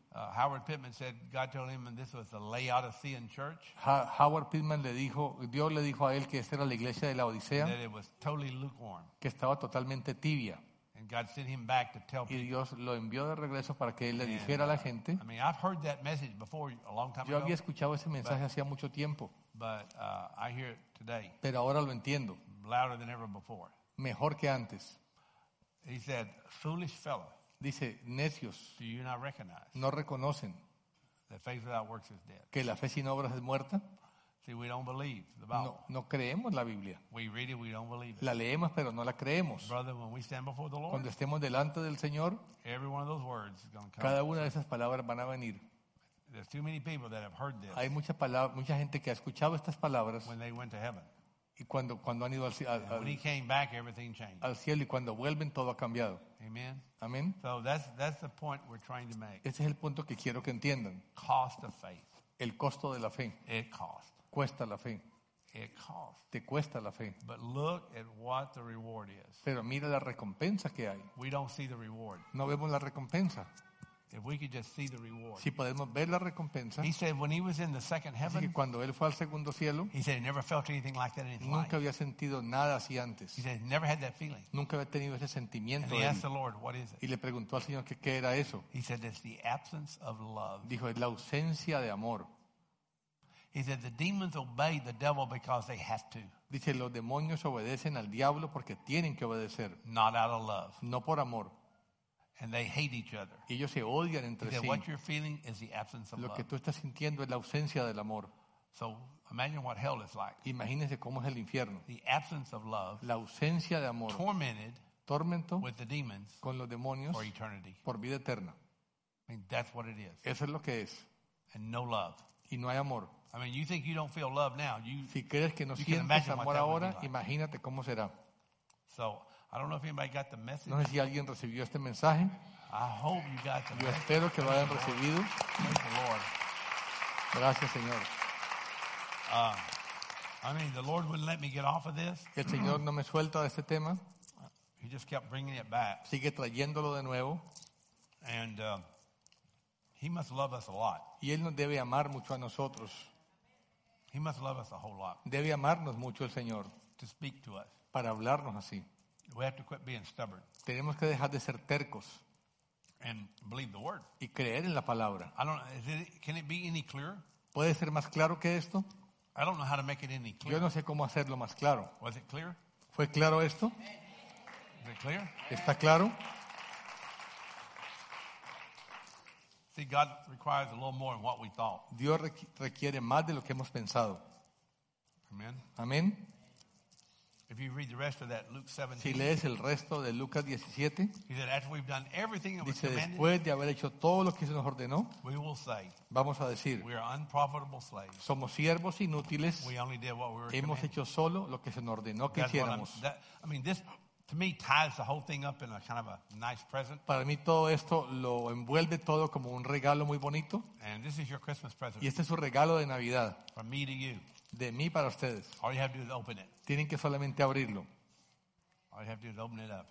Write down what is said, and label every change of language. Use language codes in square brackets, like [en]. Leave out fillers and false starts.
[en] Howard Pittman said God told him this was the Laodicean church. [es] Howard Pittman le dijo, Dios le dijo a él que esta era la iglesia de la Odisea. [en] That it was totally lukewarm. [es] Que estaba totalmente tibia. [en] And God sent him back to tell people. [es] Y Dios lo envió de regreso para que él le dijera a la gente. [en] I mean, I've heard that message before a long time [es] ago. Yo había escuchado ese mensaje hacía mucho tiempo. [en] But I hear it today. [es] Pero ahora lo entiendo. [en] Louder than ever before. [es] Mejor que antes. [en] He said, foolish fellow. [es] Dice, necios, [en] do you not recognize [es] no reconocen [en] that faith without works is dead? [es] Que la fe sin obras es muerta. [en] See, we don't believe the Bible. [es] No creemos la Biblia. [en] We read it, we don't believe it. [es] La leemos, pero no la creemos. [en] Brother, when we stand before the Lord, [es] cuando estemos delante del Señor, [en] every one of those words is gonna come. [es] Cada una de esas palabras van a venir. [en] There's too many people that have heard this. [es] Hay mucha, mucha gente que ha escuchado estas palabras. [en] When they went to heaven. [es] Y cuando han ido al cielo y cuando vuelven, todo ha cambiado. [en] Amen. [es] Amen. [en] So that's the point we're trying to make. [es] Ese es el punto que quiero que entiendan. [en] Cost of faith. [es] El costo de la fe. [en] It cost. [es] Cuesta la fe. [en] It cost. [es] Te cuesta la fe. [en] But look at what the reward is. [es] Pero mira la recompensa que hay. [en] We don't see the reward. [es] No vemos la recompensa. [en] If we could just see the reward. [es] Si podemos ver la recompensa. [en] He said when he was in the second heaven. [es] Así que cuando él fue al segundo cielo. [en] He said he never felt anything like that in his [es] nunca Nunca había sentido nada así antes. [en] He said he never had that feeling. [es] Nunca había tenido ese sentimiento. [en] And he asked the Lord, what is it? [es] Y le preguntó al Señor qué era eso. [en] He said it's the absence of love. [es] Dijo es la ausencia de amor. [en] He said the demons obey the devil because they have to. [es] Dice los demonios obedecen al diablo porque tienen que obedecer. [en] Not out of love. [es] No por amor. [en] And they hate each other. [es] Ellos se odian entre [en] sí. What you're feeling is the absence of [es] love. Lo que tú estás sintiendo es la ausencia del amor. [en] So imagine what hell is like. [es] Imagínese cómo es el infierno. [en] The absence of love. [es] La ausencia de amor. [en] Tormented. [es] Tormento. [en] With the demons. [es] Con los demonios. [en] For eternity. [es] Por vida eterna. [en] I mean, that's what it is. [es] Eso es lo que es. [en] And no love. [es] Y no hay amor. [en] I mean, you think you don't feel love now. You, [es] si crees que no sientes amor ahora, imagínate cómo será. [en] So. I don't know if anybody got the message. [es] No sé si alguien recibió este mensaje. [en] I hope you got the [es] yo espero que lo hayan recibido. [en] Thank the Lord. [es] Gracias, Señor. [en] I mean, the Lord wouldn't let me get off of this. [es] El Señor no me suelta de este tema. [en] He just kept bringing it back. [es] Sigue trayéndolo de nuevo. [en] And he must love us a lot. [es] Y él nos debe amar mucho a nosotros. [en] He must love us a whole lot. [es] Debe amarnos mucho el Señor. [en] To speak to us. [es] Para hablarnos así. [en] We have to quit being stubborn. [es] Tenemos que dejar de ser tercos. [en] And believe the word. [es] Y creer en la palabra. [en] I don't know, can it be any clearer? [es] ¿Puede ser más claro que esto? [en] I don't know how to make it any clearer. [es] Yo no sé cómo hacerlo más claro. [en] Was it clear? [es] ¿Fue claro esto? [en] Is it clear? [es] ¿Está claro? [en] See, God requires a little more than what we thought. [es] Dios requiere más de lo que hemos pensado. [en] Amen. [es] Amén. [en] If you read the rest of that Luke 17, [es] si lees el resto de Lucas 17, [en] he said, after we've done everything that [es] dice, [en] was commanded, [es] después de haber hecho todo lo que se nos ordenó, [en] we will say, [es] vamos a decir, [en] we are unprofitable slaves. [es] Somos siervos inútiles, [en] we only did what we were [es] hemos [en] commanded. [es] Hecho solo lo que se nos ordenó que [en] that's [es] hiciéramos. [en] That, I mean, this, to me, ties the whole thing up in a kind of a nice present. [es] Para mí todo esto lo envuelve todo como un regalo muy bonito. [en] And this is your Christmas present. [es] Y este es su regalo de Navidad. [en] From me to you. [es] De mí para ustedes. [en] All you have to do is open it. [es] Tienen que solamente abrirlo. [en] All you have to do is open it up.